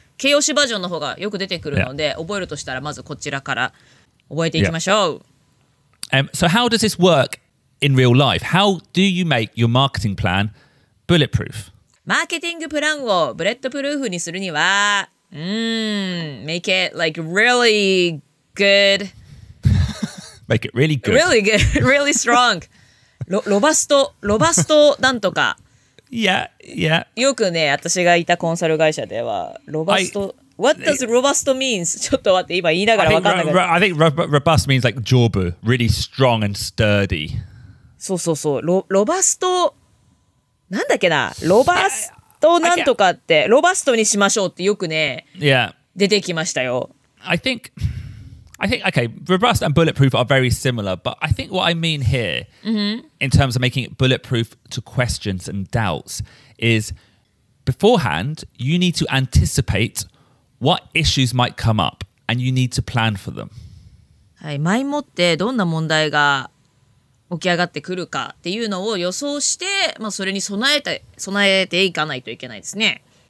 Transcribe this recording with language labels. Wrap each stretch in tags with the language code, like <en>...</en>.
<ja>形容詞バージョンの方がよく出てくるので、yeah. 覚えるとしたらまずこちらから覚えていきましょう。</ja> <en>Yeah. So how does this work in real life? How do you make your marketing plan bulletproof?</en> <ja>マーケティングプランをブレットプルーフにするには、</ja> <en>make it like really good. make it really good. Really good. Really strong.</en> <ja>ロバストなんとか。</ja> <en>Yeah, yeah.</en> <ja>よくね、私がいたコンサル会社では、ロバスト、</ja> <en>What does robust means?</en> <ja>ちょっと待って、今言いながら分かんなかった。</ja> <en>I think robust means like jawb, really strong and sturdy.</en> <ja>そうそうそう、ロバスト、なんだっけな、ロバストなんとかって、ロバストにしましょうってよくね、</ja> <en>yeah.</en> <ja>出てきましたよ。</ja> <en>I think, okay, robust and bulletproof are very similar, but I think what I mean here、 mm-hmm. in terms of making it bulletproof to questions and doubts is beforehand, you need to anticipate what issues might come up and you need to plan for them.</en> <ja>はい、前もってどんな問題が起き上がってくるかっていうのを予想して、まあ、それに備えていかないといけないですね。</ja>